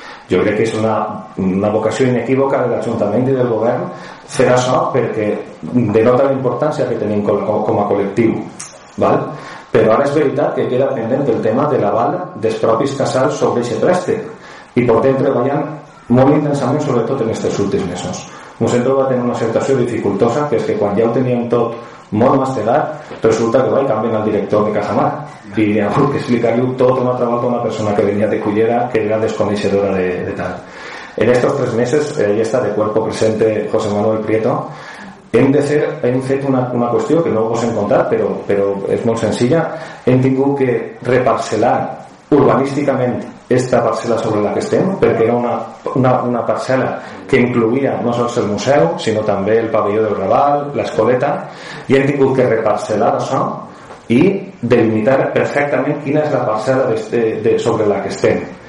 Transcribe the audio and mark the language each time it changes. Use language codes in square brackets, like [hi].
[ca] Jo crec que és una vocació inequívoca de l'Ajuntament i del Govern fer això perquè denota la importància que tenim com a col·lectiu. Val? Però ara és veritat que queda pendent el tema de l'aval dels propis casals sobre aquest préstec i portem treballant molt intensament, sobretot en aquests últims mesos. [es] un centro va a tener una situación dificultosa, que es que cuando ya lo tenían todo [ca] molt mastegat, [es] resulta que va y cambien al director de Cajamar y le han que explicarle todo un trabajo a una persona que venía de Cullera, que era desconocedora de tal. En estos tres meses, ahí está de cuerpo presente [ca] José Manuel Prieto, hem de fer, hem fet una qüestió que no vos hem contat, però és molt senzilla. Hem tingut que reparcel·lar urbanísticament esta parcel·la sobre la que estem, perquè era una parcel·la que incluïa no sols el museu, sinó també el pavelló del Raval, l'escoleta, i hem tingut que reparcel·lar això i delimitar perfectament quina és la parcel·la de sobre la que estem.